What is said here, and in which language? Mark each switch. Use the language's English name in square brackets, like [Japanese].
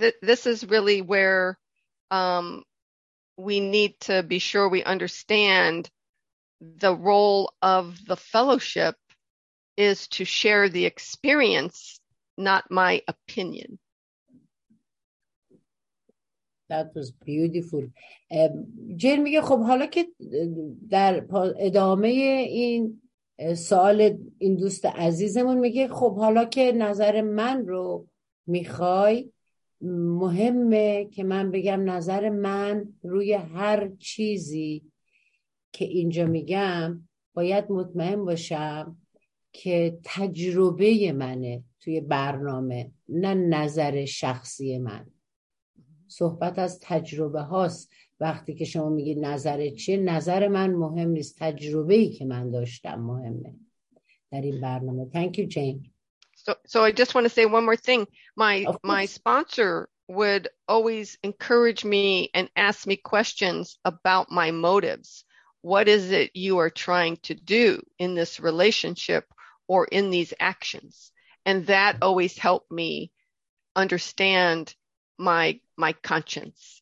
[English] This is really where we need to be sure we understand the role of the fellowship is to share the experience, not my opinion. That was beautiful. [Persian] جن میگه خب حالا که در ادامه این سوال این دوست عزیزمون میگه خب حالا که نظر من رو میخوای، مهمه که من بگم نظر من روی هر چیزی که اینجا میگم باید مطمئن باشم که تجربه منه توی برنامه، نه نظر شخصی من. صحبت از تجربه هاست. وقتی که شما میگی نظر چیه، نظر من مهم نیست، تجربه‌ای که من داشتم مهمه در این برنامه. [English] Thank you, Jane. So I just want to say one more thing. My sponsor would always encourage me and ask me questions about my motives. What is it you are trying to do in this relationship or in these actions? And that always helped me understand my conscience.